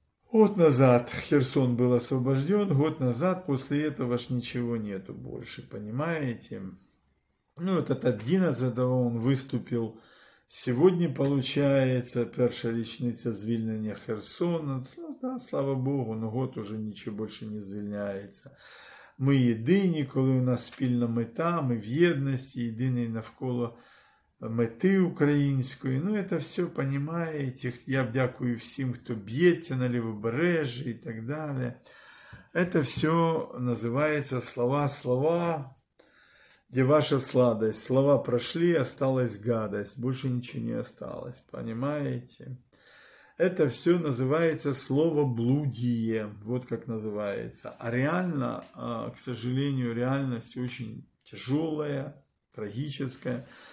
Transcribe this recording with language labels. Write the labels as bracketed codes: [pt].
[ru] Год назад Херсон был освобожден, год назад, после этого ж ничего нету больше, понимаете? Ну, этот 11-го он выступил. Сегодня, получается, первая личница звільнення Херсона. Да, слава Богу, но год уже ничего больше не звільняется. [uk] Мы едині, коли у нас спільна мета, мы в єдності, єдині навколо мети української. [ru] Ну, это все, понимаете. Я дякую всем, кто б'ється на Лівобережжі и так далее. Это все называется слова-слова. Где ваша сладость? Слова прошли, осталась гадость. Больше ничего не осталось. Понимаете? Это все называется словоблудие. Вот как называется. А реально, к сожалению, реальность очень тяжелая, трагическая.